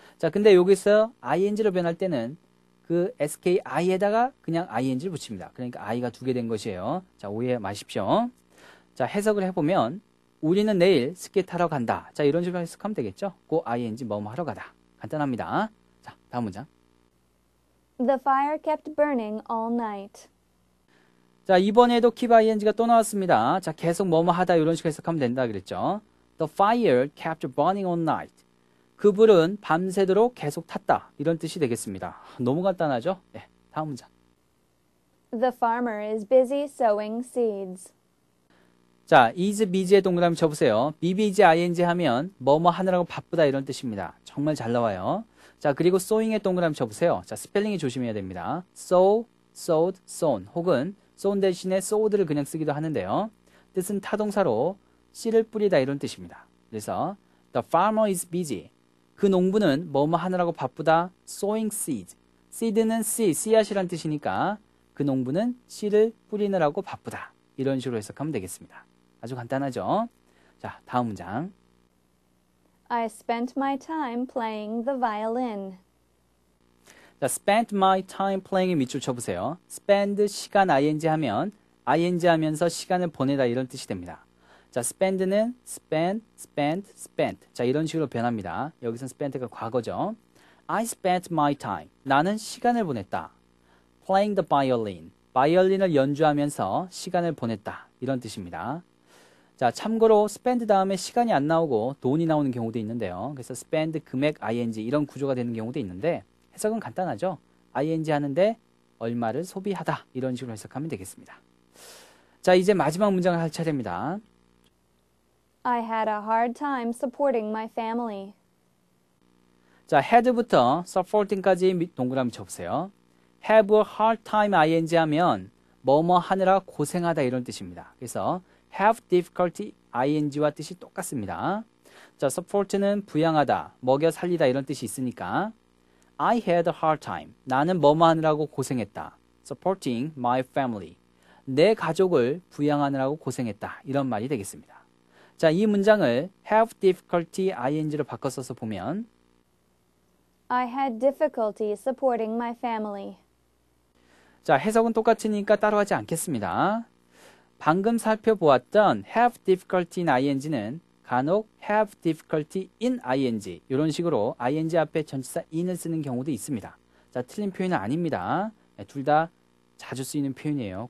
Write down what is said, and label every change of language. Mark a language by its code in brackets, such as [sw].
[ko] 자, 근데 여기서 ing로 변할 때는 그 SKI에다가 그냥 ing를 붙입니다. 그러니까 I가 두 개 된 것이에요. 자, 오해 마십시오. 자, 해석을 해보면 우리는 내일 스키 타러 간다. 자, 이런 식으로 해석하면 되겠죠? go ing 뭐뭐 하러 가다. 간단합니다. 자, 다음 문장. [en] The fire kept burning all night. [ko] 자, 이번에도 keep ing가 또 나왔습니다. 자, 계속 뭐뭐 하다 이런 식으로 해석하면 된다 그랬죠? [en] The fire kept burning all night. [ko] 그 불은 밤새도록 계속 탔다. 이런 뜻이 되겠습니다. 너무 간단하죠? 네, 다음 문장. [en] The farmer is busy sowing seeds. [ko] 자, [en] is busy [ko] 의 동그라미 쳐보세요. be busy ing 하면 뭐뭐 하느라고 바쁘다 이런 뜻입니다. 정말 잘 나와요. 자, 그리고 sowing의 동그라미 쳐보세요. 자, 스펠링이 조심해야 됩니다. [en] sow, sowed, sown [ko] 혹은 sown 대신에 sowed를 그냥 쓰기도 하는데요. 뜻은 타동사로 씨를 뿌리다 이런 뜻입니다. 그래서 [en] the farmer is busy. [ko] 그 농부는 뭐뭐 하느라고 바쁘다. [en] sowing seeds. [ko] seed는 seed, 씨앗이란 뜻이니까 그 농부는 씨를 뿌리느라고 바쁘다. 이런 식으로 해석하면 되겠습니다. 아주 간단하죠? 자, 다음 문장. [en] I spent my time playing the violin. [ko] 자, [en] spent my time playing [ko] 의 밑줄 쳐보세요. spend 시간 ing 하면 ing 하면서 시간을 보내다 이런 뜻이 됩니다. [en] 자, spend는 spend, spent, spent. [ko] 자, 이런 식으로 변합니다. 여기서 spent가 과거죠. [en] I spent my time. [ko] 나는 시간을 보냈다. [en] playing the violin. [ko] 바이올린을 연주하면서 시간을 보냈다. 이런 뜻입니다. 자, 참고로 spend 다음에 시간이 안 나오고 돈이 나오는 경우도 있는데요. 그래서 spend, 금액, ing 이런 구조가 되는 경우도 있는데 해석은 간단하죠. ing 하는데 얼마를 소비하다. 이런 식으로 해석하면 되겠습니다. 자, 이제 마지막 문장을 할 차례입니다. [en] I had a hard time supporting my family. [ko] 자, head부터 supporting까지 동그라미 쳐보세요. [en] have a hard time ing [ko] 하면 뭐뭐 하느라 고생하다 이런 뜻입니다. 그래서 [en] have difficulty ing [ko] 와 뜻이 똑같습니다. 자, support는 부양하다, 먹여 살리다 이런 뜻이 있으니까 [en] I had a hard time. [ko] 나는 뭐뭐 하느라고 고생했다. [en] supporting my family. [ko] 내 가족을 부양하느라고 고생했다. 이런 말이 되겠습니다. 자, 이 문장을 [en] have difficulty ing [ko] 로 바꿔 써서 보면 [en] I had difficulty supporting my family. [ko] 자, 해석은 똑같으니까 따로 하지 않겠습니다. 방금 살펴보았던 [en] have difficulty in ing [ko] 는 간혹 have difficulty in ing 이런 식으로 ing 앞에 전치사 in을 쓰는 경우도 있습니다. 자, 틀린 표현은 아닙니다. 둘 다 자주 쓰이는 표현이에요.